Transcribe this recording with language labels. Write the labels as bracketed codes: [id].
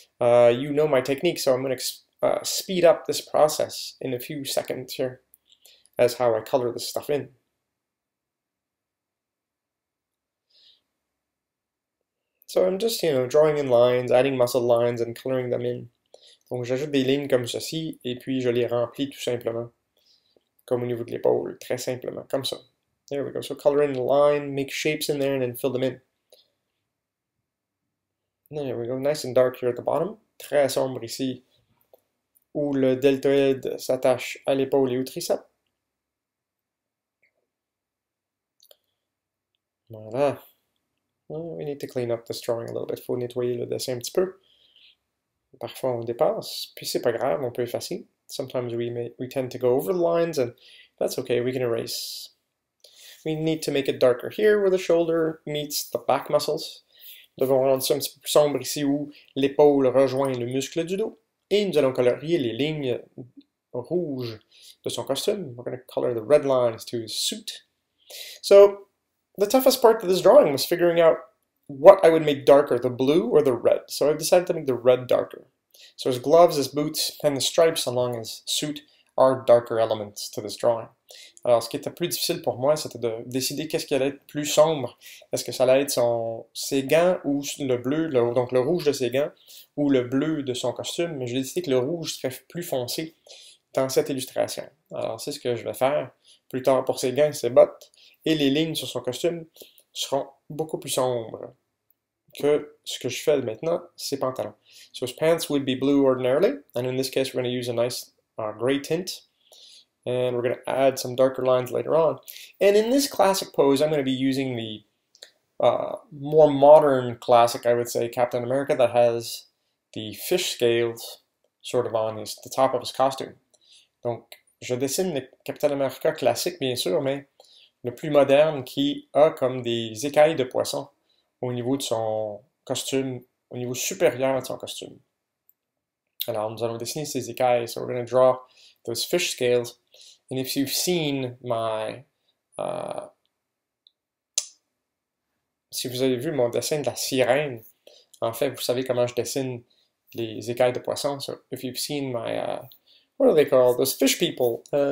[en] You know my technique, so I'm going to speed up this process in a few seconds here, as how I color this stuff in. So I'm just, drawing in lines, adding muscle lines and coloring them in. [fr] Donc, j'ajoute des lignes comme ceci, et puis je les remplis tout simplement, comme au niveau de l'épaule, très simplement, comme ça. [en] There we go. So, color in the line, make shapes in there, and then fill them in. There we go. Nice and dark here at the bottom. [fr] Très sombre ici, où le deltoïde s'attache à l'épaule et au triceps. [en] Voilà. Well, we need to clean up this drawing a little bit. [fr] Faut nettoyer le dessin un petit peu. Parfois on dépasse, puis c'est pas grave, on peut effacer. [en] Sometimes we tend to go over the lines, and that's okay, we can erase. We need to make it darker here where the shoulder meets the back muscles. [fr] Nous devons rendre ça un petit peu plus sombre ici où l'épaule rejoint le muscle du dos. Et nous allons colorier les lignes rouges de son costume. [en] We're going to color the red lines to his suit. So, the toughest part of this drawing was figuring out what I would make darker, the blue or the red. So I've decided to make the red darker. So his gloves, his boots, and the stripes along his suit are darker elements to this drawing. [fr] Alors, ce qui était plus difficile pour moi, c'était de décider qu'est-ce qui allait être plus sombre. Est-ce que ça allait être ses gants ou le bleu, donc le rouge de ses gants, ou le bleu de son costume. Mais j'ai décidé que le rouge serait plus foncé dans cette illustration. Alors, c'est ce que je vais faire plus tard pour ses gants et ses bottes et les lignes sur son costume seront beaucoup plus sombres que ce que je fais maintenant, ses pantalons. [en] So his pants would be blue ordinarily, and in this case we're going to use a nice gray tint, and we're going to add some darker lines later on. And in this classic pose, I'm going to be using the more modern classic, I would say, Captain America, that has the fish scales sort of on his the top of his costume. [fr] Donc, je dessine le Capitaine America classique, bien sûr, mais le plus moderne qui a comme des écailles de poisson au niveau de son costume, au niveau supérieur de son costume. Alors, nous allons dessiner ces écailles. [en] So, we're going to draw those fish scales. And if you've seen my, [fr] si vous avez vu mon dessin de la sirène, en fait, vous savez comment je dessine les écailles de poisson. [en] So, if you've seen my, what are they called? Those fish people.